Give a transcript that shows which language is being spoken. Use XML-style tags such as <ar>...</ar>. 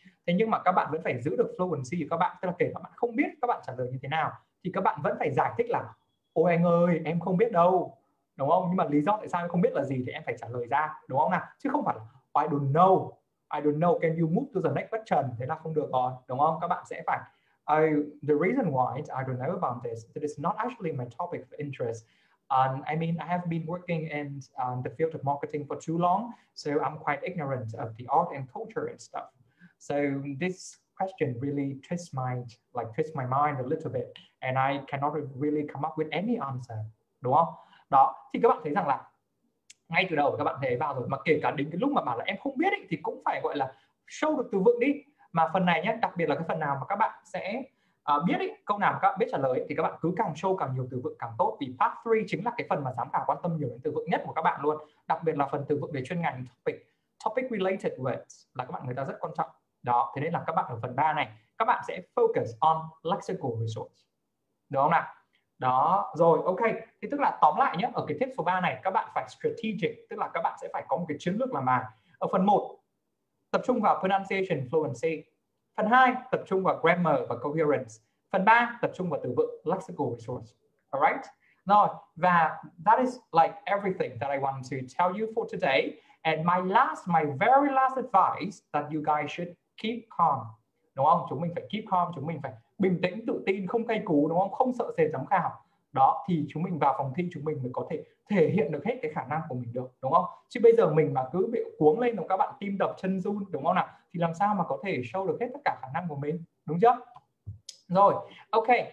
<vi>Thế nhưng mà các bạn vẫn phải giữ được fluency của các bạn, tức là kể các bạn không biết các bạn trả lời như thế nào, thì các bạn vẫn phải giải thích là ôi anh ơi, em không biết đâu, đúng không? Nhưng mà lý do tại sao em không biết là gì thì em phải trả lời ra, đúng không nào? Chứ không phải là</vi> <en>I don't know, can you move to the next question?</en> <vi>Thế là không được rồi, đúng không? Các bạn sẽ phải</vi> <en>the reason why I don't know about this, that is not actually my topic of interest. I mean, I have been working in the field of marketing for too long, so I'm quite ignorant of the art and culture and stuff. So this question really twists my mind a little bit, and I cannot really come up with any answer.</en> <vi>Đúng không? Đó, thì các bạn thấy rằng là ngay từ đầu các bạn thấy vào rồi, mà kể cả đến cái lúc mà bảo là em không biết ấy, thì cũng phải gọi là show được từ vựng đi. Mà phần này nhé, đặc biệt là cái phần nào mà các bạn sẽ biết ấy, câu nào mà các bạn biết trả lời ấy, thì các bạn cứ càng show càng nhiều từ vựng càng tốt, vì part 3 chính là cái phần mà giám khảo quan tâm nhiều đến từ vựng nhất của các bạn luôn, đặc biệt là phần từ vựng về chuyên ngành, topic related words là các bạn người ta rất quan trọng. Đó, thế nên là các bạn ở phần 3 này các bạn sẽ</vi> <en>focus on lexical resource,</en> <vi>đúng không nào? Đó, rồi, ok. Thì tức là tóm lại nhé, ở cái tip số 3 này các bạn phải strategic, tức là các bạn sẽ phải có một cái chiến lược làm bài. Ở phần 1 tập trung vào pronunciation, fluency. Phần 2 tập trung vào grammar và coherence. Phần 3 tập trung vào từ vựng, lexical resource.</vi> <en>Alright?</en> <vi>Rồi, và</vi> <en>that is like everything that I want to tell you for today. And my very last advice that you guys should keep calm.</en> <vi>Đúng không? Chúng mình phải</vi> <en>keep calm,</en> <vi>chúng mình phải bình tĩnh, tự tin, không cay cú, đúng không? Không sợ sệt giám khảo. Đó, thì chúng mình vào phòng thi chúng mình mới có thể thể hiện được hết cái khả năng của mình được, đúng không? Chứ bây giờ mình mà cứ bị cuống lên, đúng, các bạn tim đập chân run, đúng không nào? Thì làm sao mà có thể show được hết tất cả khả năng của mình, đúng chưa? Rồi, ok.</vi>